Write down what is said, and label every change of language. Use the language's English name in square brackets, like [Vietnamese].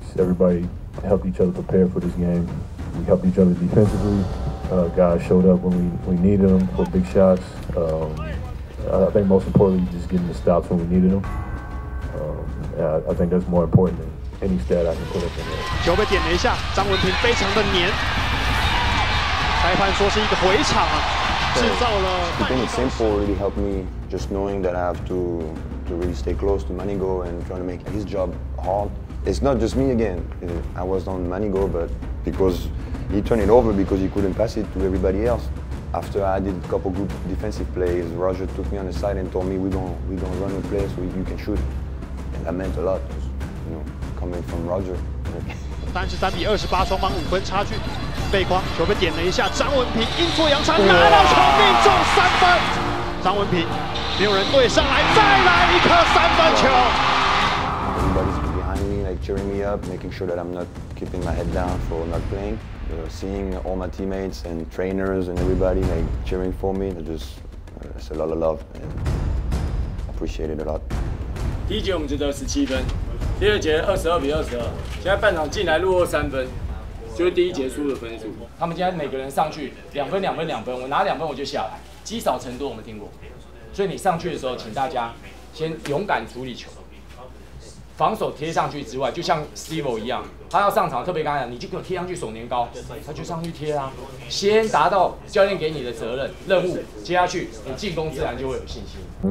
[English] Everybody helped each other prepare for this game. We helped each other defensively. Guys showed up when we needed them for big shots. I think most importantly, just getting the stops when we needed them. I think that's more important than. Any stat I can put up in there. [Chinese] 球被点了一下，张文婷非常的黏。裁判说是一个回场，制造了。 [English] Being a same four really helped me, just knowing that I have to really stay close to Manigo and trying to make his job hard. It's not just me again. I was on Manigo, but because he turned it over because he couldn't pass it to everybody else. After I did a couple good defensive plays, Roger took me on the side and told me we're gonna run the play so you can shoot. And that meant a lot, you know, coming from Roger. [Chinese] 33-28，双方五分差距。背筐球被点了一下，张文平阴错阳差拿到球，命中三分。张文平没有人对上来，再来一颗三分球。 [English] Everybody's behind me, like cheering me up, making sure that I'm not keeping my head down for not playing. You know, seeing all my teammates and trainers and everybody like cheering for me, it's a lot of love. And appreciate it a lot. [Chinese] 第一节我们就得17分，第二节22-22，现在半场进来落后三分。就是第一节输的分数，他们今天每个人上去两分、两分、两分，我拿两分我就下来，积少成多我们听过，所以你上去的时候，请大家先勇敢处理球，防守贴上去之外，就像 Steve 一样，他要上场，特别刚才讲，你就给我贴上去手年糕，他就上去贴啊，先达到教练给你的责任任务，接下去你进攻自然就会有信心。